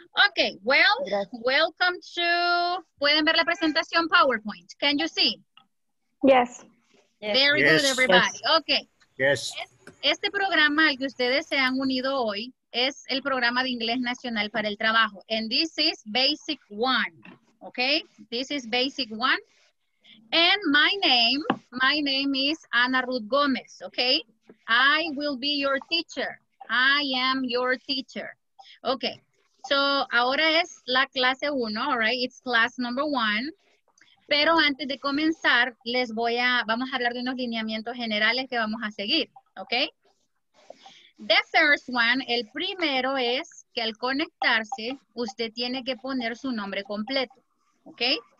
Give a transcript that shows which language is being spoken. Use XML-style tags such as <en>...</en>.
<en>Okay, well,</en> <es>gracias.</es> <en>Welcome to,</en> <es>¿pueden ver la presentación PowerPoint?</es> <en>Can you see? Yes. Very yes. good, everybody. Yes. Okay. Yes.</en> <es>Este programa al que ustedes se han unido hoy es el programa de inglés nacional para el trabajo.</es> <en>And this is basic one, okay? This is basic one. And my name is Ana Ruth Gómez, okay? I will be your teacher. I am your teacher. Okay. So,</en> <es>ahora es la clase uno,</es> <en>all right? It's class number one.</en> <es>Pero antes de comenzar, vamos a hablar de unos lineamientos generales que vamos a seguir, okay?</es> <en>The first one,</en> <es>el primero es que al conectarse, usted tiene que poner su nombre completo, okay?</es>